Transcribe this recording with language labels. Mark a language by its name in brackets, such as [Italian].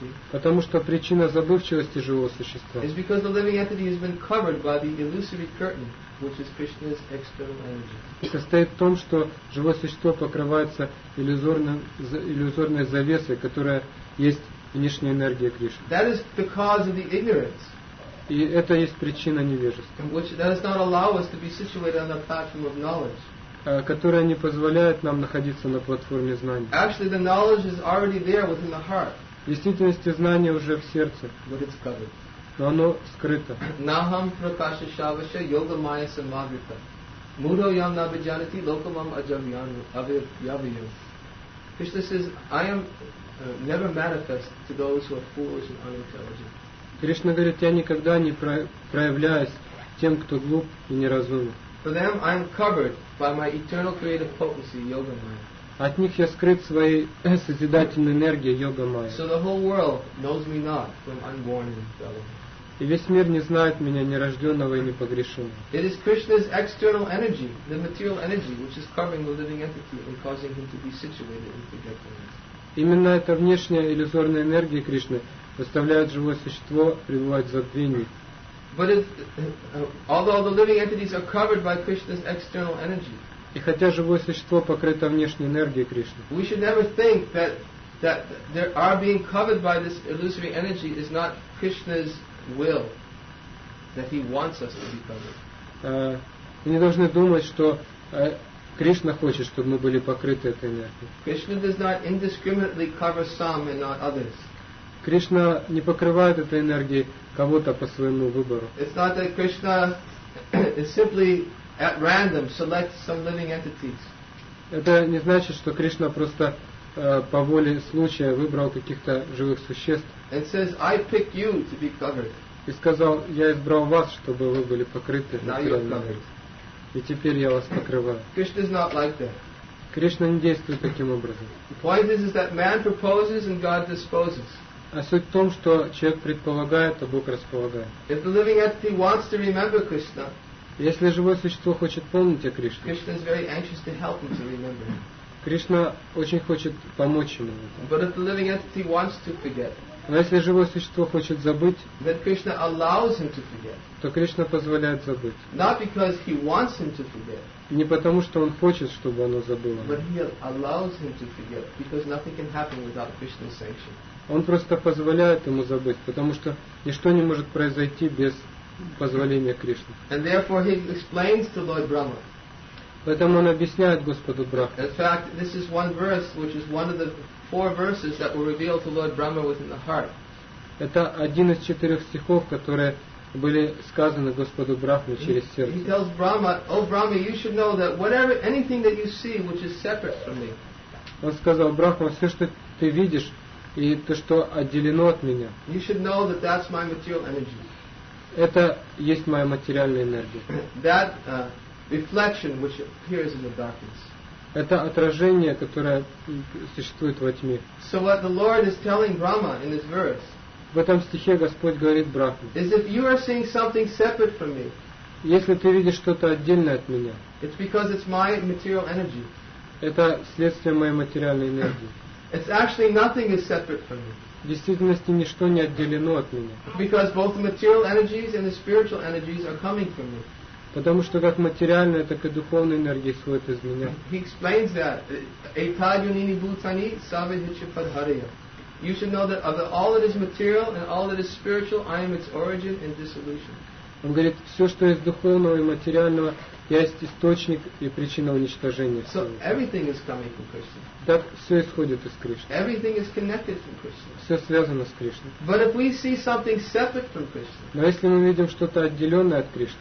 [Russian] Потому что причина забывчивости живого существа. [English] Is because the living entity has been covered by the illusory curtain, which is Krishna's external energy. [Russian] Состоит в том, что живое существо покрывается иллюзорной завесой, которая есть внешняя энергия Кришны. [English] That is the cause of the ignorance. [Russian] И это есть причина невежества. [English] And which does not allow us to be situated on the platform of knowledge. [Russian] Которая не позволяет нам находиться на платформе знаний. [English] Actually, the knowledge is already there within the heart. [Russian] В действительности знание уже в сердце. [English] But it's covered. [Russian] Но оно скрыто. [Sanskrit] Нахам пракаша шаваша йога майя самагрита. Мудо ям набиджанати локамам аджавьяну авиявию. [English] Krishna says, I am never manifest to those who are foolish and unintelligent. [Russian] Кришна говорит, я никогда не проявляюсь тем, кто глуп и неразумен. [English] For them, I am covered by my eternal creative potency, Yoga Maya. [Russian] От них я скрыт своей созидательной энергией, Yoga Maya. [English] So the whole world knows me not, for I'm unborn and infallible. [Russian] И весь мир не знает меня, нерожденного и непогрешенного. [English] It is Krishna's external energy, the material energy, which is covering the living entity and causing him to be situated in forgetfulness. [Russian] Именно эта внешняя иллюзорная энергия Кришны заставляет живое существо пребывать в забвении. [English] But if, although the living entities are covered by Krishna's external energy, [Russian] и хотя живое существо покрыто внешней энергией Кришны, [English] we should never think that there are being covered by this illusory energy is not Krishna's will, that he wants us to be covered. [Russian] Мы не должны думать, что Кришна хочет, чтобы мы были покрыты этой энергией. [English] Krishna does not indiscriminately cover some and not others. [Russian] Кришна не покрывает этой энергией кого-то по своему выбору. [English] It's not that Krishna is simply at random selects some living entities. [Russian] Это не значит, что Кришна просто по воле случая выбрал каких-то живых существ. [English] It says, I pick you to be covered. [Russian] и сказал, я избрал вас, чтобы вы были покрыты. И теперь я вас покрываю. [English] Krishna is not like that. [Russian] Кришна не действует таким образом. [English] The point is that man proposes and God disposes. [Russian] А суть в том, что человек предполагает, а Бог располагает. [English] If the living entity wants to remember Krishna, [Russian] если живое существо хочет помнить о Кришне, [English] Krishna is very anxious to help him to remember. [Russian] Кришна очень хочет помочь ему. [English] But if the living entity wants to forget, [Russian] но если живое существо хочет забыть, [English] then Krishna allows him to forget. [Russian] То Кришна позволяет забыть. [English] Not because he wants him to forget. [Russian] Не потому, что он хочет, чтобы оно забыло. [English] But he allows him to forget because nothing can happen without Krishna's sanction. [Russian] Он просто позволяет ему забыть, потому что ничто не может произойти без позволения Кришны. [English] And therefore he explains to Lord Brahma. [Russian] Поэтому он объясняет Господу Брахме. [English] In fact, this is one verse which is one of the four verses that were revealed to Lord Brahma within the heart. [Russian] Это один из четырех стихов, которые были сказаны Господу Брахме через сердце. [English] He tells Brahma, "O Brahma, you should know that whatever anything that you see which is separate from me." [Russian] Он сказал Брахма, все, что ты видишь и то, что отделено от меня. [English] You should know that that's my material energy. [Russian] Это есть моя материальная энергия. [English] That reflection which appears in the darkness. [Russian] Это отражение, которое существует во тьме. [English] So what the Lord is telling Brahma in this verse? [Russian] В этом стихе Господь говорит Брахме. [English] Is if you are seeing something separate from me. [Russian] Если ты видишь что-то отдельное от меня. [English] It's because it's my material energy. [Russian] Это следствие моей материальной энергии. [English] It's actually nothing is separate from me. [Russian] В действительности ничто не отделено от меня. [English] Because both the material energies and the spiritual energies are coming from me. [Russian] Потому что как материальная, так и духовная энергия исходит из меня. [English] He explains that. [Sanskrit] Etadunini bhutani sabhi hichipadharaya. [English] You should know that of all that is material and all that is spiritual, I am its origin and dissolution. [Russian] Он говорит, все, что из духовного и материального, я есть источник и причина уничтожения. [English] So everything is coming from Krishna. [Russian] Так все исходит из Кришны. [English] Everything is connected from Krishna. [Russian] Все связано с Кришной. [English] But if we see something separate from Krishna. [Russian] Но если мы видим что-то отделенное от Кришны.